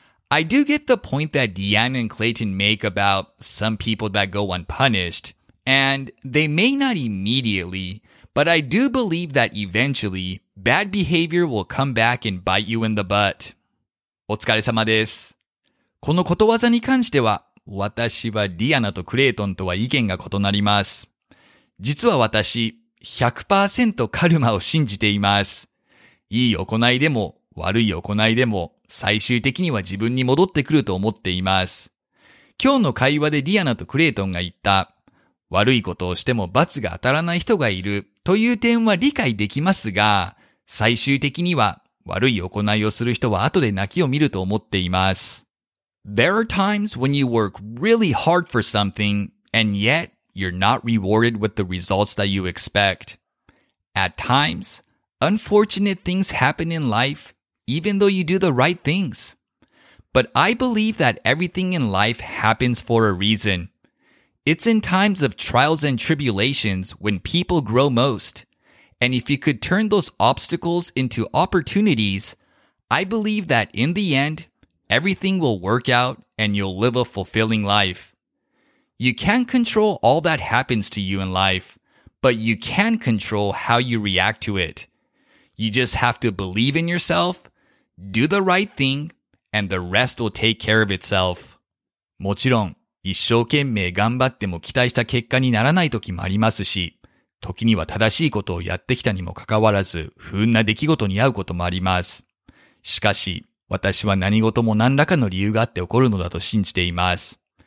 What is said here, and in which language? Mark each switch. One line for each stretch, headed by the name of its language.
English: I do get the point that Deanna and Clayton make about some people that go unpunished, and they may not immediately, but I do believe that eventually, bad behavior will come back and bite you in the butt.
Japanese: お疲れ様です。このことわざに関しては、私はディアナとクレイトンとは意見が異なります。実は私、100% カルマを信じています。いい行いでも、悪い行いでも、最終的には自分に戻ってくると思っています。今日の会話でディアナとクレイトンが言った、悪いことをしても罰が当たらない人がいるという点は理解できますが、最終的には悪い行いをする人は後で泣きを見ると思っています。
English: There are times when you work really hard for something, and yet you're not rewarded with the results that you expect. At times, unfortunate things happen in life, even though you do the right things. But I believe that everything in life happens for a reason. It's in times of trials and tribulations when people grow most. And if you could turn those obstacles into opportunities, I believe that in the end, everything will work out and you'll live a fulfilling life. You can't control all that happens to you in life, but you can control how you react to it. You just have to believe in yourself, do the right thing, and the rest will take care of itself.
Japanese: もちろん、一生懸命頑張っても期待した結果にならない時もありますし、時には正しいことをやってきたにもかかわらず、不運な出来事に遭うこともあります。しかし、私は何事も何らかの理由があって起こるのだと信じています。